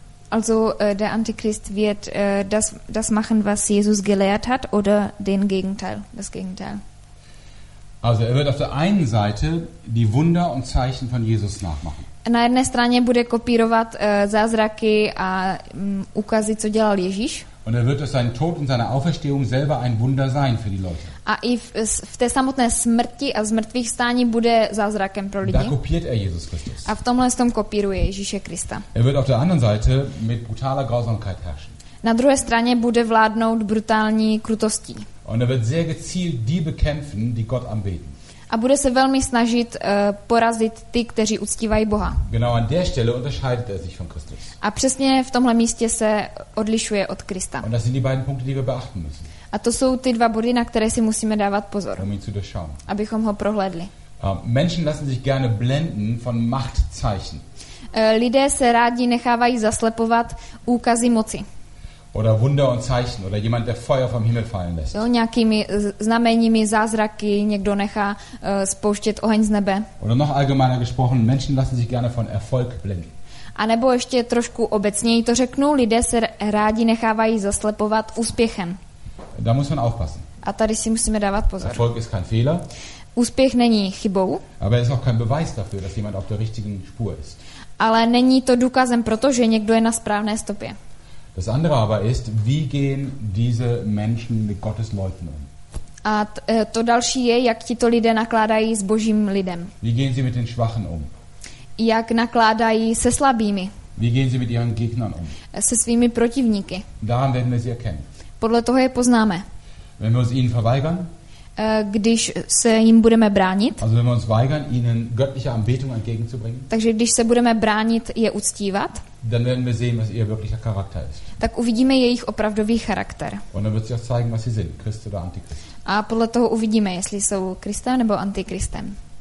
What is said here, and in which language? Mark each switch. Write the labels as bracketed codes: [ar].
[de] Also der Antichrist wird das machen, was Jesus gelehrt hat, oder das Gegenteil. Also er wird auf der einen Seite die Wunder und Zeichen von Jesus nachmachen. [cs] na jedné straně bude kopírovat zázraky a ukazy, co dělal Ježíš. [de] Und er wird durch seinen Tod und seine Auferstehung selber ein Wunder sein für die Leute. [cs] A i v té samotné smrti a zmrtvýchvstání bude zázrakem pro lidi. [de] Da kopiert er Jesus Christus. [cs] A v tomhle tom kopíruje Ježíše Krista. [de] Er wird auf der anderen Seite mit brutaler Grausamkeit herrschen. [cs] Na druhé straně bude vládnout brutální krutostí. [de] Und er wird sehr gezielt die bekämpfen, die Gott anbeten. [cs] A bude se velmi snažit porazit ty, kteří uctívají Boha. [de] Genau an der Stelle unterscheidet er sich von Christus. [cs] A přesně v tomhle místě se odlišuje od Krista. [de] Und das sind die beiden Punkte, die wir beachten müssen. [cs] A to jsou ty dva body, na které si musíme dávat pozor, abychom ho prohlédli. [de] Menschen lassen sich gerne blenden von Machtzeichen. [cs] Lidé se rádi nechávají zaslepovat úkazy moci. [de] Oder Wunder und Zeichen oder jemand, der Feuer vom Himmel fallen lässt. [cs] Jo, nějakými znameními, zázraky někdo nechá spouštět oheň z nebe. [de] Oder noch allgemeiner gesprochen, Menschen lassen sich gerne von Erfolg blenden. [cs] A nebo ještě trošku obecněji to řeknu, lidé se rádi nechávají zaslepovat úspěchem. [de] Da muss man aufpassen. [cs] A tady si musíme dávat pozor. [de] Erfolg ist kein Fehler. [cs] Úspěch není chybou. [de] Aber ist auch kein Beweis dafür, dass jemand auf der richtigen Spur ist. [cs] Ale není to důkazem pro to, že někdo je na správné stopě. [de] Das andere aber ist, wie gehen diese Menschen mit Gottes Leuten um? [cs] A to další je, jak tito lidé nakládají s Božím lidem. [de] Wie gehen sie mit den Schwachen um? [cs] Jak nakládají se slabými? [de] Wie gehen sie mit ihren Gegnern um? [cs] Se svými protivníky. [de] Daran werden wir sie erkennen. [cs] Podle toho je poznáme. [de] Wenn wir uns ihnen verweigern, [cs] když se jim budeme bránit, [de] also wenn wir uns weigern, ihnen göttliche Anbetung entgegenzubringen, [cs] takže když se budeme bránit, je uctívat, [de] dann werden wir sehen, was ihr wirklicher Charakter ist. [cs] Tak uvidíme jejich opravdový charakter. [de] Und dann wird sich auch zeigen, was sie sind, Christ oder Antichrist. [cs] A podle toho uvidíme, jestli jsou Kristem nebo Antichristem.